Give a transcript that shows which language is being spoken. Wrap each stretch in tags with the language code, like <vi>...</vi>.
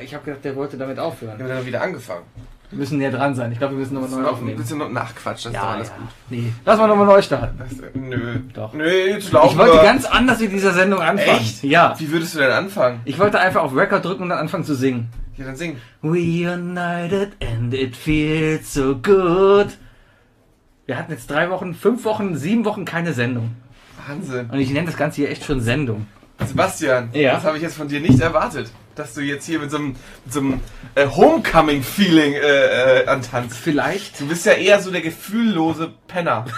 <de>Ich habe gedacht, der wollte damit aufhören. Wir haben dann wieder angefangen. Wir müssen näher dran sein. Ich glaube, wir müssen nochmal neu aufnehmen. Ein bisschen nachquatschen, das ist doch alles gut. Nee, lass mal nochmal neu starten. Nö. Doch. Nö, jetzt laufen Ich wollte ganz anders mit dieser Sendung anfangen. Echt? Ja. Wie würdest du denn anfangen? Ich wollte einfach auf Record drücken und dann anfangen zu singen. Ja, dann singen.</de> <en>We united and it feels so good.</en> <de>Wir hatten jetzt 3 Wochen, 5 Wochen, 7 Wochen keine Sendung. Wahnsinn. Und ich nenne das Ganze hier echt schon Sendung. Sebastian, ja? Das habe ich jetzt von dir nicht erwartet, dass du jetzt hier mit so einem Homecoming-Feeling antanzt. Vielleicht. Du bist ja eher so der gefühllose Penner.</de>